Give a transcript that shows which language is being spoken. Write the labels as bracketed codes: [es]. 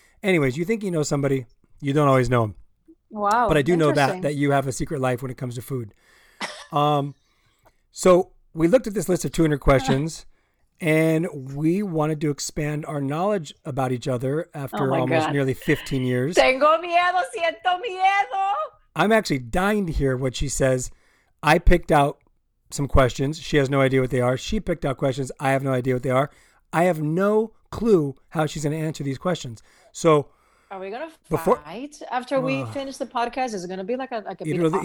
[en] Anyways, you think you know somebody. You don't always know them. Wow. But I do know that you have a secret life when it comes to food. So we looked at this list of 200 questions and we wanted to expand our knowledge about each other after nearly 15 years. [es] Tengo miedo, siento miedo. [en] I'm actually dying to hear what she says. I picked out some questions. She has no idea what they are. She picked out questions. I have no idea what they are. I have no clue how she's going to answer these questions. So are we going to fight after we finish the podcast? Is it going to be like a big